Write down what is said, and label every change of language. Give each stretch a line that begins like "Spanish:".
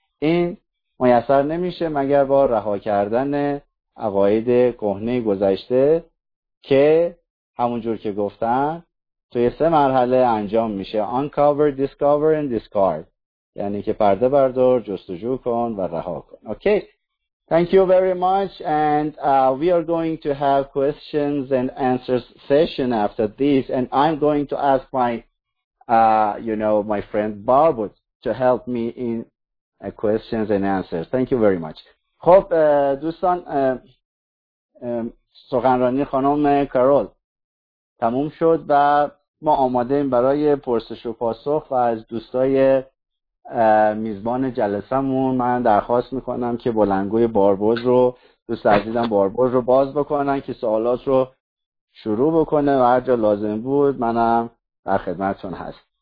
Persian: این میسر نمیشه مگر با رها کردن عقاید کهنه گذشته که همونجور که گفتم توی سه مرحله انجام میشه:
English: uncover, discover and discard،
Persian: یعنی که پرده بردار، جستجو کن و رها کن.
English: Okay, thank you very much, and we are going to have questions and answers session after this, and I'm going to ask my my friend Barbut to help me in questions and answers. Thank you very much.
Persian: خب دوستان، سخنرانی خانم کارول تموم شد و ما آماده ایم برای پرسش و پاسخ و از دوستای میزبان جلسه‌مون من درخواست میکنم که بلندگوی باربوز رو، دوست عزیزم باربوز رو باز بکنن که سوالات رو شروع بکنه و هر جا لازم بود منم در خدمتتون هست.